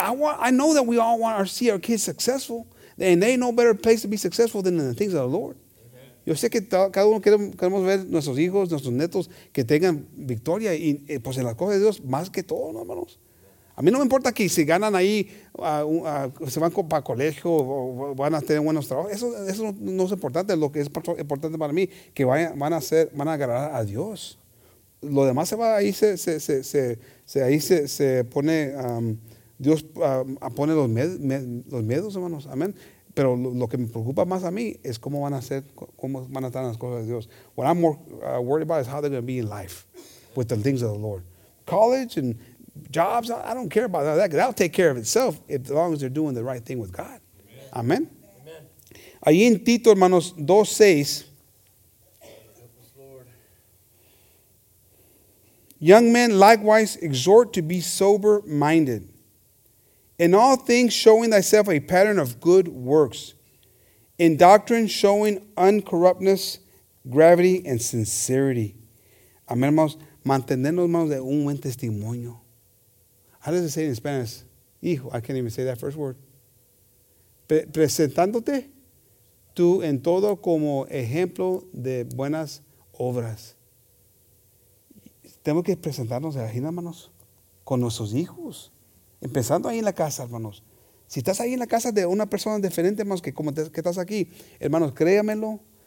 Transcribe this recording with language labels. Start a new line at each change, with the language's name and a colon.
English: I mean, I know that we all want to see our kids successful. And they ain't no better place to be successful than in the things of the Lord. Amen.
Spanish: Yo sé que cada uno queremos ver nuestros hijos, nuestros netos, que tengan victoria. Y pues en las cosas de Dios, más que todo, ¿no, hermanos? A mí no me importa que si ganan ahí, se van para colegio o van a tener buenos trabajos. Eso no es importante. Lo que es importante para mí, que van a agradar a Dios. Lo demás se va ahí, se pone, Dios pone los miedos, hermanos. Amén. Pero lo que me preocupa más a mí es cómo van a estar las cosas de Dios.
English: What I'm more worried about is how they're going to be in life with the things of the Lord. College and jobs, I don't care about that. That'll take care of itself as long as they're doing the right thing with God.
Spanish: Amen. Allí en Tito, hermanos, 2:6.
English: Young men, likewise, exhort to be sober-minded. In all things, showing thyself a pattern of good works. In doctrine, showing uncorruptness, gravity, and sincerity. Amen, hermanos.
Spanish: Mantenernos, hermanos, de un buen testimonio.
English: How does it say it in Spanish? Hijo, I can't even say that first word.
Spanish: Presentándote tú en todo como ejemplo de buenas obras. Tenemos que presentarnos, imagínate, hermanos, con nuestros hijos. Empezando ahí en la casa, hermanos. Si estás ahí en la casa de una persona diferente, hermanos, que como que estás aquí, hermanos, créamelo.